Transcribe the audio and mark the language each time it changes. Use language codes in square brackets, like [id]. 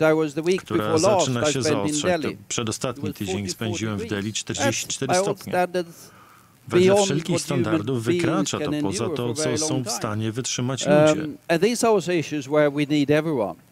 [en] I was the week before last, I spent in Delhi. [pl] Przedostatni tydzień spędziłem w Delhi, 44 stopnie. Wedle wszelkich standardów wykracza to poza to, co są w stanie wytrzymać ludzie. [en] These are also issues where we need everyone.